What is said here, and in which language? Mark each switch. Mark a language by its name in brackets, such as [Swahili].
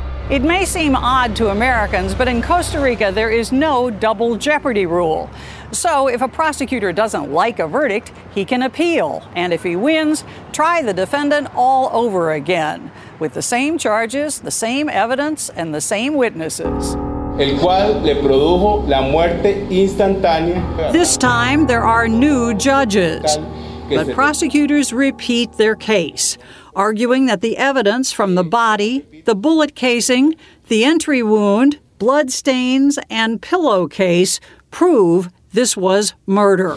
[English] It may seem odd to Americans, but in Costa Rica, there is no double jeopardy rule. So if a prosecutor doesn't like a verdict, he can appeal. And if he wins, try the defendant all over again with the same charges, the same evidence, and the same witnesses. [Spanish] El cual le produjo la muerte instantánea. [English] This time, there are new judges. But prosecutors repeat their case, arguing that the evidence from the body, the bullet casing, the entry wound, blood stains, and pillowcase prove this was murder.